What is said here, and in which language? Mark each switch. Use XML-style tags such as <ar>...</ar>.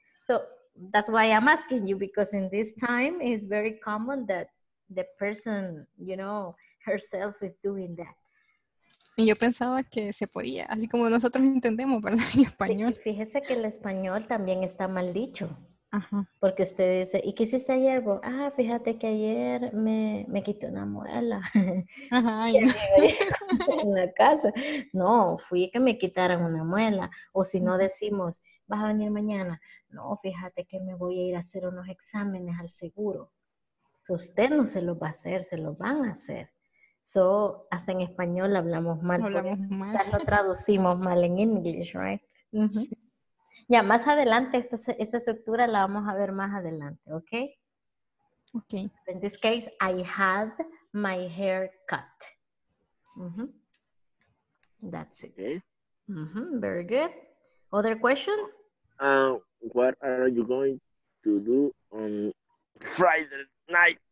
<en>So, that's why I'm asking you, because in this time, it's very common that the person, you know, herself is doing that.</en> <es>Y yo pensaba que se podía, así como nosotros entendemos, ¿verdad? En español. Fíjese que el español también está mal dicho. Ajá. Porque usted dice, ¿y qué hiciste ayer? Ah, fíjate que ayer me quité una muela. Ajá. Y no. En la casa. No, fui que me quitaran una muela. O si no decimos, ¿vas a venir mañana? No, fíjate que me voy a ir a hacer unos exámenes al seguro. Usted no se los va a hacer, se los van a hacer. So, hasta en español hablamos mal. Hablamos mal. Ya lo traducimos mal en English, right? Uh-huh. Sí. Ya, más adelante, esta estructura la vamos a ver más adelante, ¿ok?</es> <en>Ok. In this case, I had my hair cut. Uh-huh. That's it. Okay. Mm-hmm, very good. Other question? What are you going to do on Friday night?</en>